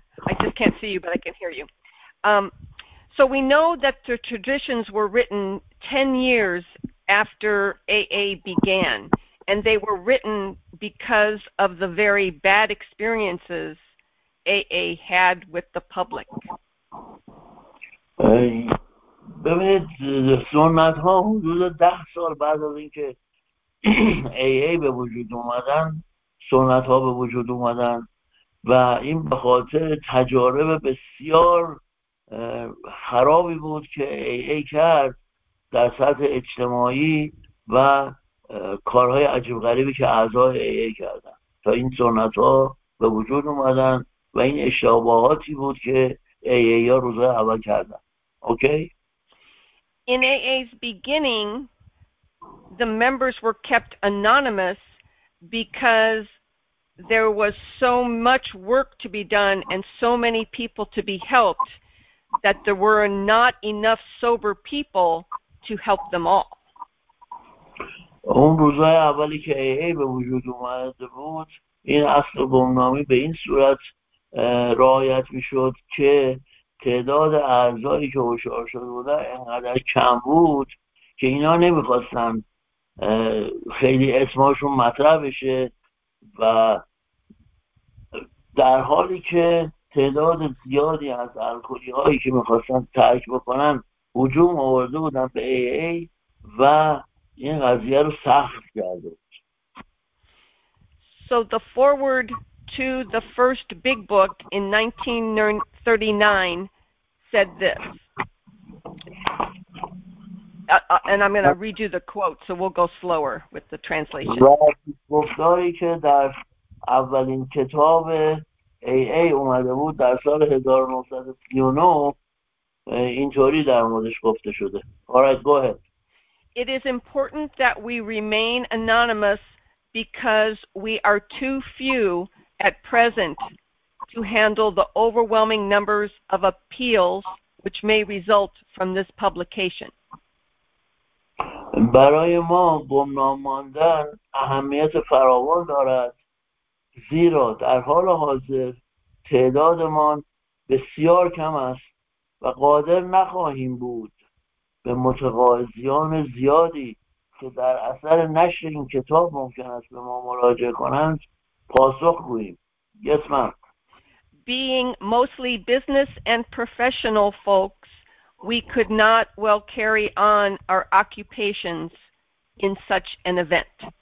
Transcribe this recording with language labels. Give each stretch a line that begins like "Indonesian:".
English: I just can't see you, but I can hear you. So we know that the traditions were written 10 years after AA began, and they were written because of the very bad experiences AA had with the public.
Persian: ببینید سنت ها حدود 10 سال بعد از اینکه AA به وجود اومدن سنت ها به وجود اومدن و این به خاطر تجارب بسیار خرابی بود که AA کرد در سطح اجتماعی و کارهای عجیب غریبی که اعضای AA کردن تا این سنت ها به وجود اومدن و این اشتباهاتی بود که AA ها روزهای اول کردن.
English: Okay. In AA's beginning, the members were kept anonymous because there was so much work to be done and so many people to be helped that there were not enough sober people to help them all.
Persian: اون روزهای اولی که AA به وجود اومده بود، این اصل گمنامی به این صورت رعایت می‌شد که تعداد اعضایی که هوشیار شده بودن اینقدر کم بود که اینا نمیخواستن خیلی اسمشون مطرح بشه و در حالی که تعداد زیادی از الکلی هایی که میخواستن ترک بکنن هجوم آورده بودن به AA و این قضیه رو سخت کرده بود.
English: So the forward to the first big book in 1939 said this, and I'm going to read you the quote, so we'll go slower with the translation.
Persian: گفتاری که در اولین کتاب AA اومده بود در سال 1939 اینطوری در موردش گفته شده.
English: All right, go ahead. It is important that we remain anonymous because we are too few at present to handle the overwhelming numbers of appeals which may result from this publication.
Persian: برای ما گمنام ماندن اهمیت فراوان دارد زیرا در حال حاضر تعدادمان بسیار کم است و قادر نخواهیم بود به متقاضیان زیادی که در اثر نشر این کتاب ممکن است به ما مراجعه کنند پاسخ گوییم.
English: Yes, ma'am. Being mostly business and professional folks, we could not well carry on our occupations in such an event.